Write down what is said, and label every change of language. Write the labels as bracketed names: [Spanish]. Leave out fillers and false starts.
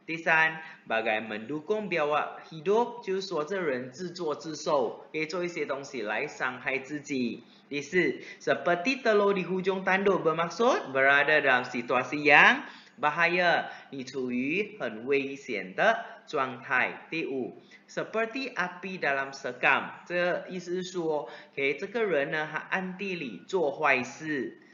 [Chinese] 第三, [Malay] bagai mendukung biawak hidup, [Chinese] 就是说这人自作自受, 可以做一些东西来伤害自己. 第四, [Malay] seperti telur di hujung tanduk, bermaksud berada dalam situasi yang bahaya, [Chinese] 你处于很危险的状态. 第五, [Malay] seperti api dalam sekam, [Chinese] 这意思是说, 这个人呢, 他暗地里做坏事.